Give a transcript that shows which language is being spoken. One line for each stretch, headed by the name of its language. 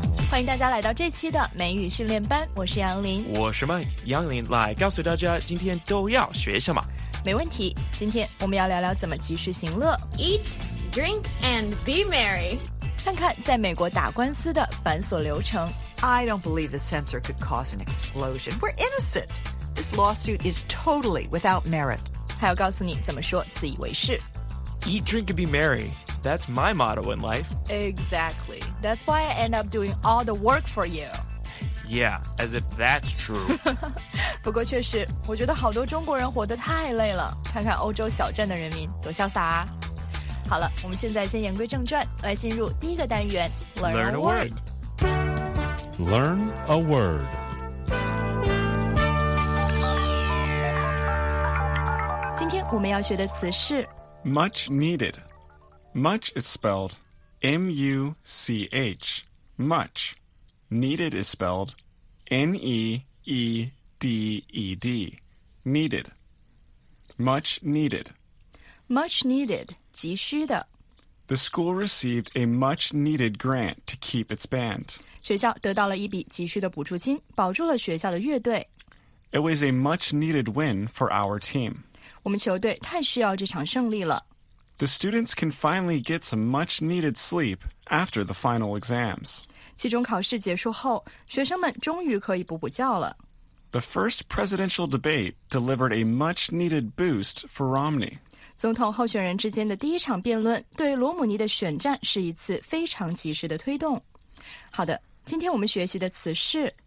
Chinese: 欢迎大家来到这期的美语训练班，我是杨林。我是 Mike， 杨林来告诉大家今天都要学什么。没问题，今天我们要聊聊怎么及时行乐。
English: Eat, drink, and be merry.
Chinese: 看看在美国打官司的繁琐流程。
English: I don't believe the sensor could cause an explosion. We're innocent. This lawsuit is totally without merit.
Chinese: 还要告诉你怎么说自以为是。
English: Eat, drink, and be merry. That's my motto in life. Exactly. That's why I end up doing all the work for you. Yeah, as if that's true.
Chinese: 不过确实，我觉得好多中国人活得太累了。看看欧洲小镇的人民多潇洒啊！好了，我们现在先言归正传，来进入第一个单元
English: ，Learn a word. Learn a word.
Chinese: 今天我们要学的词是
English: much needed. Much is spelled M-U-C-H. Much. Needed is spelled N-E-E-D-E-D. Needed. Much needed. Much needed.
Chinese: 急需的。
English: The school received a much needed grant to keep its band.
Chinese: 学校得到了一笔急需的补助金，保住了学校的乐队。
English: It was a much needed win for our team.
Chinese: 我们球队太需要这场胜利了。
English: The students can finally get some much-needed sleep after the final exams.
Chinese: 期中考试结束后，学生们终于可以补补觉了。
English: The first presidential debate delivered a much-needed boost for Romney.
Chinese: 总统候选人之间的第一场辩论对罗姆尼的选战是一次非常及时的推动。好的，今天我们学习的词是